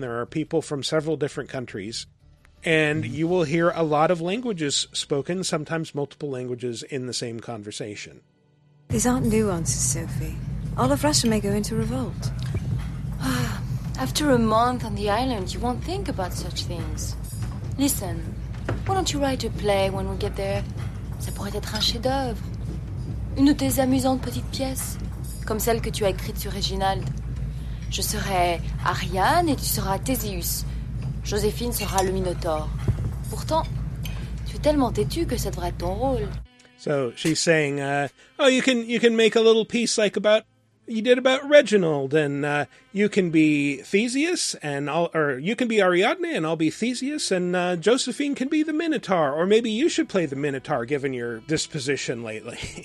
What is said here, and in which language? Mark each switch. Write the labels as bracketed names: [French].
[English] There are people from several different countries. And you will hear a lot of languages spoken, sometimes multiple languages, in the same conversation. These aren't nuances, Sophie. All of Russia may go into revolt. After a month on the island, you won't think about such things. Listen, why don't you write a play when we get there? [French] Ça pourrait être un chef-d'œuvre. Une de tes amusantes petites pièces, comme celle que tu as écrite sur Reginald. Je serai Ariane et tu seras Theseus. Joséphine sera le Minotaure. Pourtant, tu es tellement têtu que ça devrait être ton rôle. [English] So she's saying, you can make a little piece like about you did about Reginald, and you can be Theseus, and I'll, or you can be Ariadne, and I'll be Theseus, and Josephine can be the Minotaur, or maybe you should play the Minotaur given your disposition lately.